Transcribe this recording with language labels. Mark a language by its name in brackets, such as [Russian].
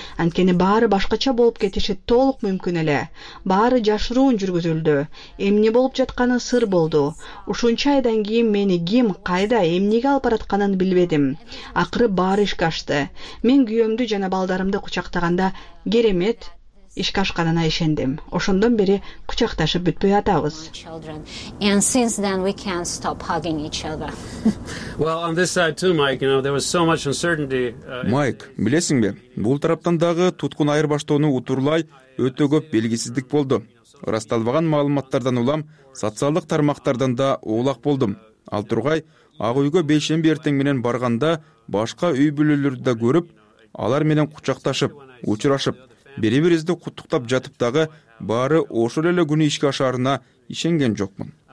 [Kyrgyz] Анткени баары башкача болуп кетиши толук мүмкүн эле. Баары жашыруун жүргүзүлдү. Эмне болуп жатканы сыр болду. Ушунча айдан кийин мени ким, кайда, эмнеге алып атканын билбедим. Акыры баары ишке ашты. Мен күйөмдү жана балдарымды кучактаганда керемет ишке ашканына ишендим. Ошондон бери кучакташып бүтпөй атабыз. [English] And since then we can't stop hugging each other. Well, on this side too, Mike, you know, there was so much uncertainty. [Kyrgyz] Майк, билесиңби? Бул тараптан дагы туткун айырбаштоону утурлай өтө көп белгисиздик болду. Расталбаган маалыматтардан улам социалдык тармактардан да оолак болдум. Ал тургай Ак үйгө бейшемби эртең менен барганда башка үй бүлөлөрдү да көрүп, алар менен кучакташып, учурашып, бири бирибизди куттуктап жатып дагы баары ошол эле күнү ишке ашарына ишенген жокмун.